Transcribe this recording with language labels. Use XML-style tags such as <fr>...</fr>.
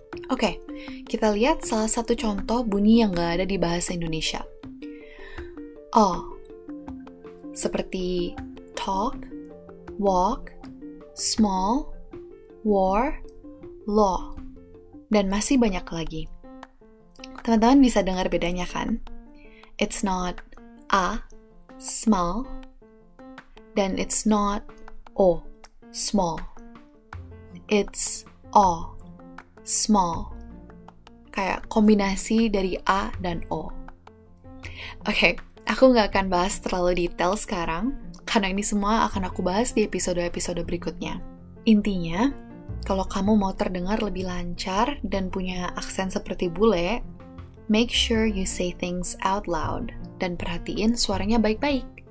<id>Oke, kita lihat salah satu contoh bunyi yang enggak ada di bahasa Indonesia. O. Seperti talk, walk, small, war, law, dan masih banyak lagi. Teman-teman bisa dengar bedanya kan?</id> <en>It's not a, small, then it's not o, small. It's o, small.</en> <id>Kayak kombinasi dari a dan o. Oke, aku nggak akan bahas terlalu detail sekarang, karena ini semua akan aku bahas di episode-episode berikutnya. Intinya, kalau kamu mau terdengar lebih lancar dan punya aksen seperti bule,</id> <en>make sure you say things out loud</en> <id>dan perhatiin suaranya baik-baik.</id>